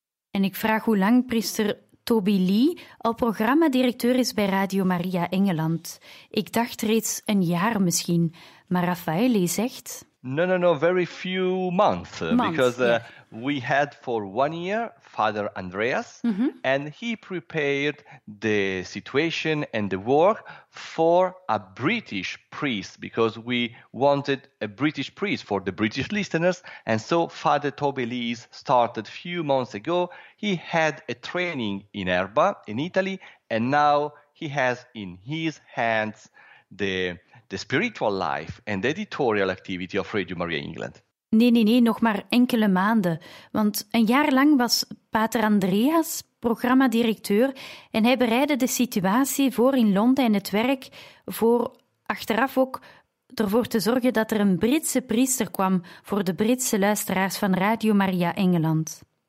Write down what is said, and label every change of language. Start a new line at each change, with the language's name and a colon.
Dutch: En ik vraag hoe lang priester Toby Lee al programmadirecteur is bij Radio Maria Engeland. Ik dacht reeds een jaar misschien, maar Raffaele zegt...
English: No, very few months. Because we had for 1 year Father Andreas, and he prepared the situation and the work for a British priest, because we wanted a British priest for the British listeners. And so Father Toby Lees started a few months ago. He had a training in Erba in Italy, and now he has in his hands the spiritual life and the editorial activity of Radio Maria England.
Dutch: Nee, nog maar enkele maanden. Want een jaar lang was Pater Andreas programmadirecteur en hij bereidde de situatie voor in Londen en het werk voor achteraf ook ervoor te zorgen dat er een Britse priester kwam voor de Britse luisteraars van Radio Maria Engeland.